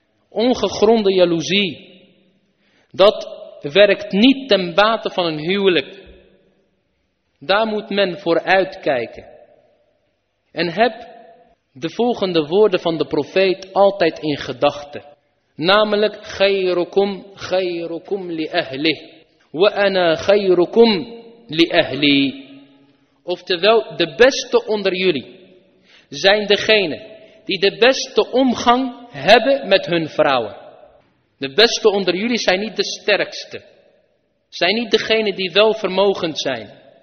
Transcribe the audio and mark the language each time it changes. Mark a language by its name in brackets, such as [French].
[Dutch] Ongegronde jaloezie. Dat werkt niet ten bate van een huwelijk. Daar moet men voor uitkijken. En heb de volgende woorden van de profeet altijd in gedachten. Namelijk, [Arabic] خيركم خيركم لأهله وأنا خيركم لأهلي. [Dutch] Oftewel, de beste onder jullie zijn degene die de beste omgang hebben met hun vrouwen. De beste onder jullie zijn niet de sterkste. Zijn niet degene die welvermogend zijn.